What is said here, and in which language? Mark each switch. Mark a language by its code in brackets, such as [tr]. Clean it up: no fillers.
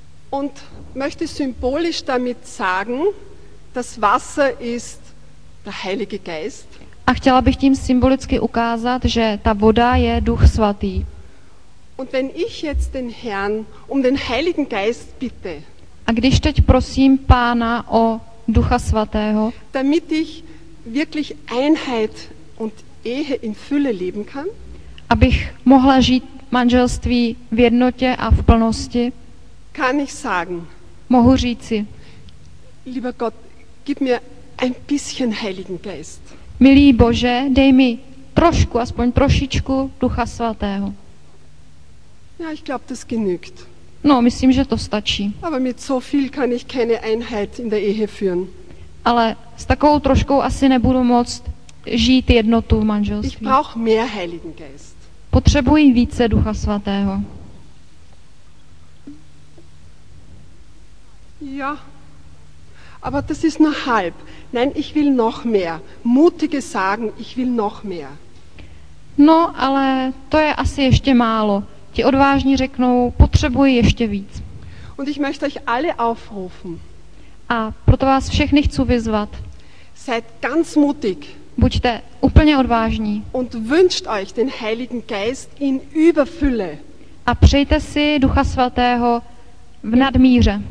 [de] Und möchte symbolisch damit sagen, das Wasser ist der Heilige Geist. [cs] A chtěla bych tím symbolicky ukázat, že ta voda je Duch svatý. [de] Und wenn ich jetzt den Herrn um den Heiligen Geist bitte. [cs] A když teď prosím Pána o Ducha svatého. [de] Damit ich wirklich Einheit und Ehe in Fülle leben kann. [cs] Abych mohla žít manželství v jednotě a v plnosti. [de] Kann ich sagen. [cs] Mohu říci. [de] Lieber Gott, gib mir ein bisschen Heiligen Geist. [cs] Milý Bože, dej mi trošku, aspoň trošičku Ducha svatého. [de] Ja, ich glaube, das genügt. [cs] No, myslím, že to stačí. [de] Aber mit so viel kann ich keine Einheit in der Ehe führen. [cs] Ale s takovou troškou asi nebudu moct žít jednotu v manželství. [de] Ich brauch mehr Heiligen Geist. [cs] Potřebuji více Ducha svatého. [de] Ja. Aber das ist nur halb. Nein, ich will noch mehr. Mutige sagen, ich will noch mehr. [cs] No, ale to je asi ještě málo. Ti odvážní řeknou, potřebuji ještě víc. [de] Und ich möchte euch alle aufrufen. [cs] A proto vás všechny chci vyzvat. [de] Seid ganz mutig. [cs] Buďte úplně odvážní. [de] Und wünscht euch den Heiligen Geist in Überfülle. [cs] A přejte si Ducha svatého v nadmíře.